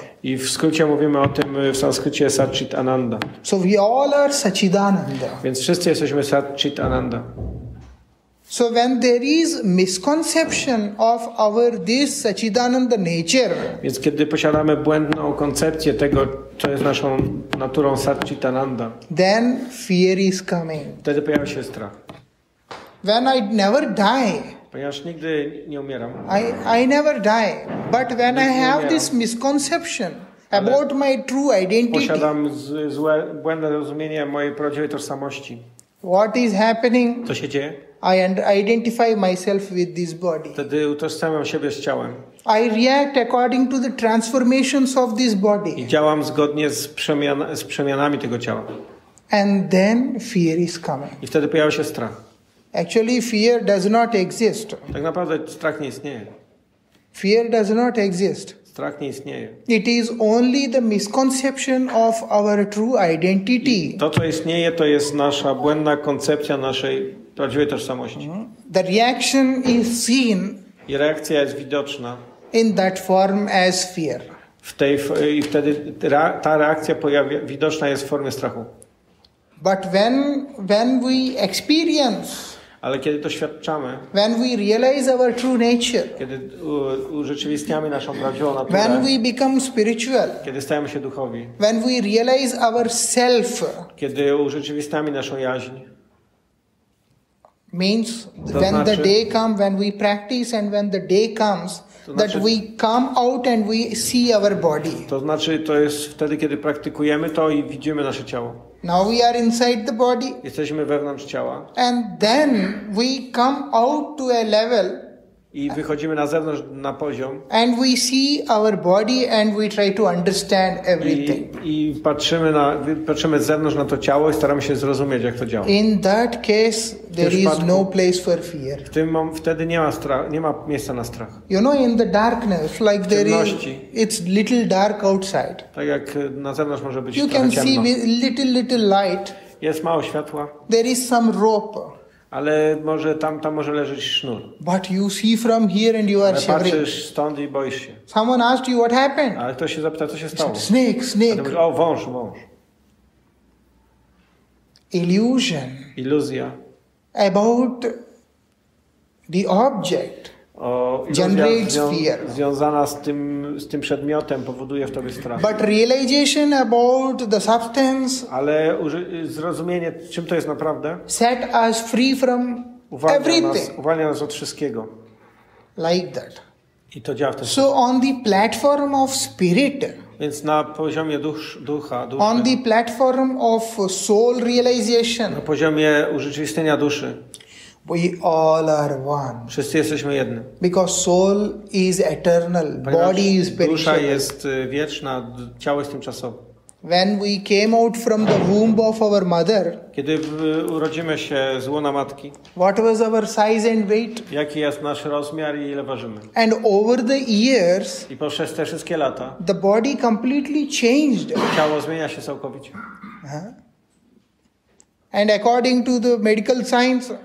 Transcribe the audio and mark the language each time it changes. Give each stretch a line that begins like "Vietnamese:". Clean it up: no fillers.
Polish: I w skrócie mówimy o tym w sanskrycie Satchit Ananda.
English: So we all are Satchidananda.
Polish: Więc wszyscy jesteśmy Satchit Ananda.
English: So when there is misconception of our this Satchidananda nature.
Polish: Więc kiedy posiadamy błędną koncepcję tego, co jest naszą naturą Satchit Ananda.
English: Then fear is coming.
Polish: Wtedy pojawia się strach.
English: When I never die.
Polish: Ponieważ nigdy nie umieram.
English: I never die. But when
Polish: nigdy
English: I have
Polish: umieram,
English: this misconception about my true identity.
Polish: Posiadam złe, błędne rozumienie mojej prawdziwej tożsamości.
English: What is happening?
Polish: Co się dzieje?
English: I identify myself with this body.
Polish: Wtedy utożsamiam siebie z ciałem.
English: I react according to the transformations of this body.
Polish: I działam zgodnie z przemianami tego ciała.
English: And then fear is coming.
Polish: I wtedy pojawia się strach.
English: Actually, fear does not exist.
Polish: Tak naprawdę strach nie istnieje.
English: Fear does not exist.
Polish: Strach nie istnieje.
English: It is only the misconception of our true identity.
Polish: To, co istnieje, to jest nasza błędna koncepcja naszej prawdziwej tożsamości.
English: The reaction is seen.
Polish: I reakcja jest widoczna.
English: In that form as fear.
Polish: W tej i wtedy ta reakcja pojawia, widoczna jest w formie strachu.
English: But when we experience,
Polish: ale kiedy doświadczamy,
English: when we realize our true nature,
Polish: kiedy urzeczywistniamy naszą prawdziwą naturę,
English: when we become spiritual,
Polish: kiedy stajemy się duchowi,
English: when we realize our self,
Polish: kiedy urzeczywistniamy naszą jaźń,
English: Means when the day comes, when we practice and when the day comes, that we come out and we see our body.
Polish: To znaczy, to jest wtedy, kiedy praktykujemy to i widzimy nasze ciało.
English: Now we are inside the body.
Polish: Jesteśmy wewnątrz ciała.
English: And then we come out to a level.
Polish: I wychodzimy na zewnątrz, na poziom.
English: And we see our body and we try to understand everything.
Polish: I patrzymy z zewnątrz na to ciało i staramy się zrozumieć, jak to działa.
English: In that case, there is no place for fear.
Polish: Wtedy nie ma strach, nie ma miejsca na strach.
English: You know, in the darkness, like there is, it's little dark outside.
Polish: Tak jak na zewnątrz może być
English: you
Polish: trochę ciemno.
English: You can see little light.
Polish: Jest mało światła.
English: There is some rope.
Polish: Ale może tam może leżeć sznur.
English: But you see from here and you are shivering.
Polish: Ale patrzysz stąd i boisz się.
English: Someone asked you what happened.
Polish: Ale ktoś się zapyta, co się stało.
English: Snake.
Polish: Mówię, o, wąż.
English: Illusion.
Polish: Iluzja.
English: About the object.
Polish: O, związana z tym przedmiotem powoduje w tobie strach.
English: But realization about the substance.
Polish: Ale zrozumienie, czym to jest naprawdę.
English: Set us free from everything.
Polish: Uwalnia nas od wszystkiego.
English: Like that.
Polish: I to działa w ten sposób.
English: So on the platform of spirit.
Polish: Więc na poziomie ducha. Duszy,
English: on the platform of soul realization.
Polish: Na poziomie urzeczywistnienia duszy.
English: We all are one.
Polish: Wszyscy jesteśmy jedni.
English: Because soul is eternal, body is perishable.
Polish: Dusza jest wieczna, ciało jest tymczasowe.
English: When we came out from the womb of our mother.
Polish: Kiedy urodzimy się z łona matki.
English: What was our size and weight?
Polish: Jaki jest nasz rozmiar i ile ważymy?
English: And over the years.
Polish: I poprzez te wszystkie lata.
English: The body completely changed.
Polish: Ciało zmienia się całkowicie.
English: And according to the medical science.